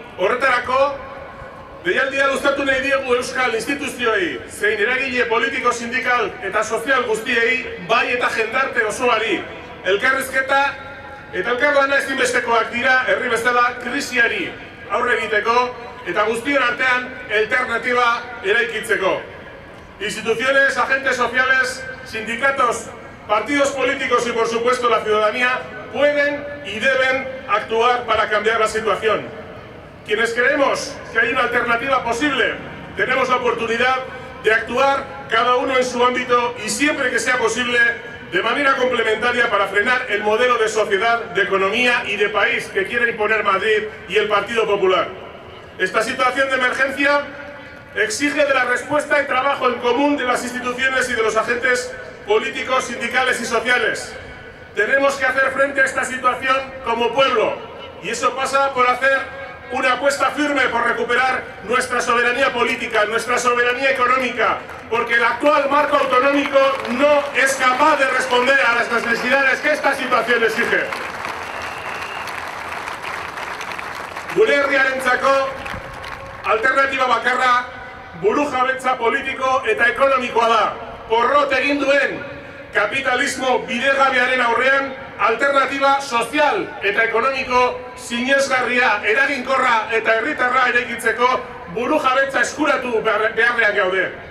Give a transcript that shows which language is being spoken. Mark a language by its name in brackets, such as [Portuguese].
[Basque] Horretarako, deialdia luzatu nahi diegu euskal instituzioei, zein eragile politiko, sindikal eta sozial guztiei, bai eta jendarte osoari. Elkarrizketa eta elkarlana ezinbestekoak dira herri bezala krisiari aurre egiteko eta guztien artean alternatiba eraikitzeko. [Spanish] Instituciones, agentes sociales, sindicatos, partidos políticos y por supuesto la ciudadanía pueden y deben actuar para cambiar la situación. Quienes creemos que hay una alternativa posible, tenemos la oportunidad de actuar cada uno en su ámbito y siempre que sea posible de manera complementaria para frenar el modelo de sociedad, de economía y de país que quiere imponer Madrid y el Partido Popular. Esta situación de emergencia exige de la respuesta y trabajo en común de las instituciones y de los agentes políticos, sindicales y sociales. Tenemos que hacer frente a esta situación como pueblo y eso pasa por hacer una apuesta firme por recuperar nuestra soberanía política, nuestra soberanía económica, porque el actual marco autonómico no es capaz de responder a las necesidades que esta situación exige. [Basque] Gure herriarentzako alternativa bakarra burujabetza politiko eta ekonomikoa da. Porrot egin duen kapitalismo bidegabearen aurrean alternativa sozial eta ekonomiko sinesgarria, eraginkorra eta herritarra eraikitzeko burujabetza eskuratu beharrean gaude.